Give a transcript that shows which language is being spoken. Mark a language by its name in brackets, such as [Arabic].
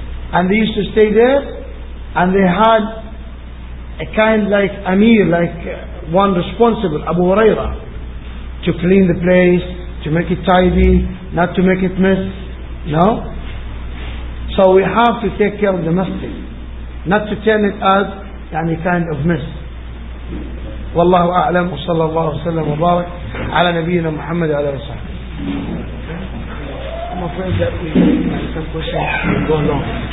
[English] And they used to stay there, and they had a kind like Amir, like one responsible, Abu Huraira, to clean the place, to make it tidy, not to make it mess. No? So we have to take care of the masjid, not to turn it as any kind of mess. [Arabic] والله أعلم وصلى الله وسلم وبارك على نبينا محمد عليه الصلاة والسلام. [English] I'm afraid that we have some questions. Go along.